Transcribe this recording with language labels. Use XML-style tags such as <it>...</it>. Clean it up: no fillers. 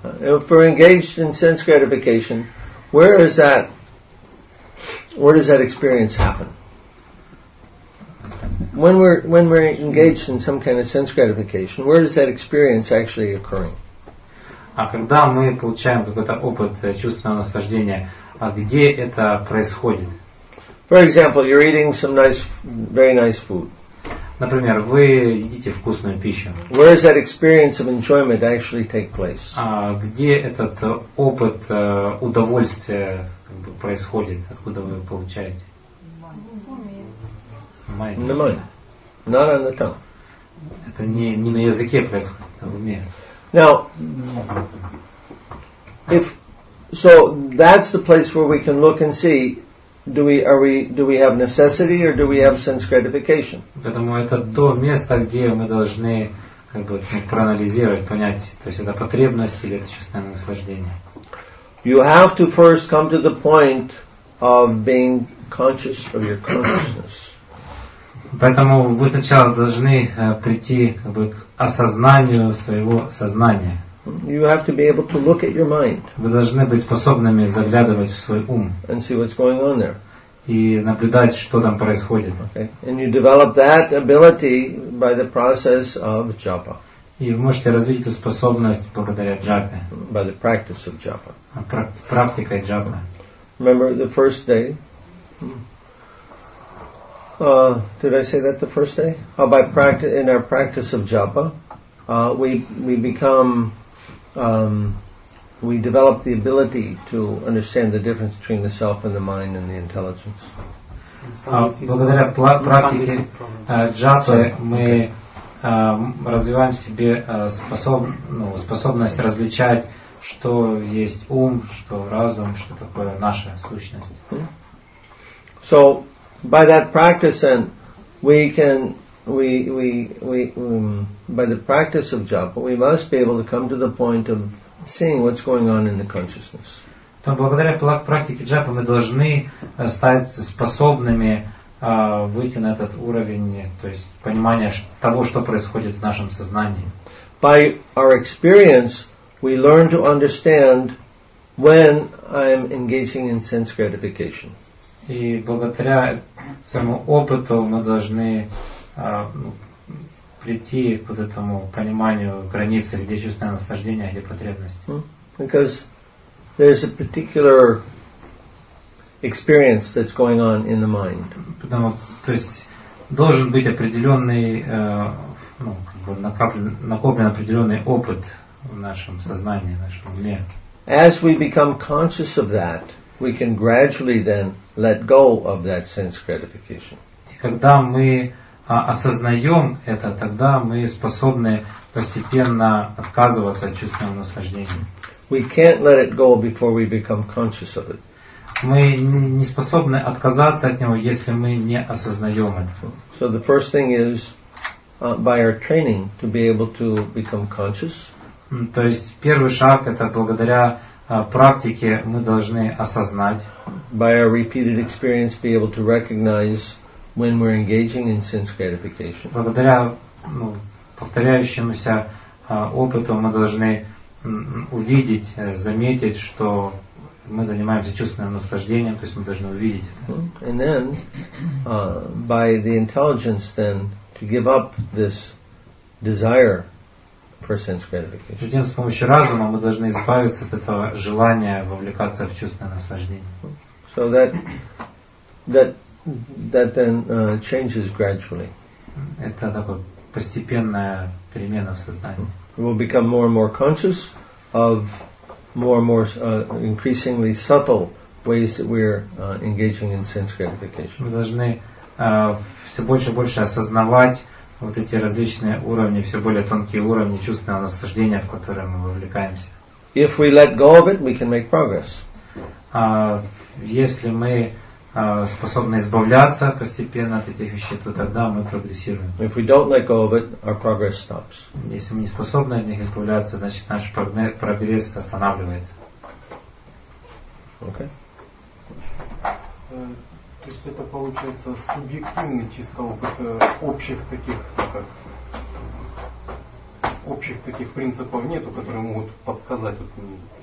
<en>If we're engaged in sense gratification, where is that, where does that experience happen? When we're engaged in some kind of sense gratification, where is that experience actually occurring?</en> <ru>А когда мы получаем какой-то опыт чувственного наслаждения, а где это происходит?</ru> <en>For example, you're eating some nice, very nice food.</en> <ru>Например, вы едите вкусную пищу.</ru> <en>Where does that experience of enjoyment actually take place?</en> <ru>А где этот опыт удовольствия как бы происходит? Откуда вы его получаете?</ru> <en>In the mind, not on the tongue.</en> <ru>Это не на языке происходит, а в уме.</ru> <en>Now, if so, that's the place where we can look and see: do we have necessity or do we have sense gratification?</en> <ru>Поэтому это то место, где мы должны как бы проанализировать, понять, то есть это потребность или это чувственное наслаждение.</ru> <en>You have to first come to the point of being conscious of your consciousness.</en> <ru>Поэтому вы сначала должны прийти как бы, к осознанию своего сознания.</ru> <en>You have to be able to look at your mind.</en> <ru>Вы должны быть способными заглядывать в свой ум.</ru> <en>And see what's going on there.</en> <ru>И наблюдать, что там происходит.</ru> <en>Okay. And you develop that ability by the process of japa.</en> <ru>И вы можете развить эту способность благодаря джапе.</ru> <en>By the practice of japa.</en> <ru>Практикой джапа.</ru> <en>Remember the first day? Did I say that the first day? By practice, in our practice of japa, we develop the ability to understand the difference between the self and the mind and the intelligence.</en> <ru>Благодаря практике джапы мы развиваем в себе способность различать, что есть ум, что разум, что такое наша сущность.</ru> <en>So. By that practice, then we can by the practice of japa, we must be able to come to the point of seeing what's going on in the consciousness.</en> <ru>То благодаря практике джапы мы должны стать способными выйти на этот уровень, то есть понимания того, что происходит в нашем сознании.</ru> <en>By our experience, we learn to understand when I'm engaging in sense gratification.</en> <ru>И благодаря своему опыту мы должны прийти к вот этому пониманию границы, где чувственное наслаждение, где потребность.</ru> <en>Because there is a particular experience that's going on in the mind.</en> <ru>Потому, то есть должен быть определенный, ну, как бы накоплен определенный опыт в нашем сознании, в нашем уме.</ru> <en>As we become conscious of that, we can gradually then let go of that sense gratification.</en> <ru>И когда мы осознаем это, тогда мы способны постепенно отказываться от чувственного наслаждения.</ru> <en>We can't let it go before we become conscious of it.</en> <ru>Мы не способны отказаться от него, если мы не осознаем это.</ru> <en>So the first thing is by our training to be able to become conscious.</en> <ru>То есть первый шаг — это благодаря практике мы должны осознать.</ru> <en>By our repeated experience be able to recognize when we're engaging in sense gratification.</en> <ru>Благодаря повторяющемуся опыту мы должны увидеть, заметить, что мы занимаемся чувственным наслаждением, то есть мы должны увидеть это.</ru> <en>And then, by the intelligence then, to give up this desire for sense gratification.</en> <ru>Затем с помощью разума мы должны избавиться от этого желания вовлекаться в чувственное наслаждение.</ru> <en>So that then changes gradually.</en> <ru>Это такая постепенная перемена в сознании.</ru> <en>We will become more and more conscious of more and more increasingly subtle ways that we're engaging in sense gratification.</en> <ru>Мы должны все больше и больше осознавать вот эти различные уровни, все более тонкие уровни чувственного наслаждения, в которые мы вовлекаемся.</ru> <en>If we let go of it, we can make progress.</en> <ru>Если мы способны избавляться постепенно от этих вещей, то тогда мы прогрессируем.</ru> <en>If we don't let go of it, our progress stops.</en> <ru>Если мы не способны от них избавляться, значит наш прогресс останавливается.</ru> <en>Okay.</en> <ru>То есть это получается субъективный чисто опыт общих таких принципов нету, которые могут подсказать вот мне.</ru>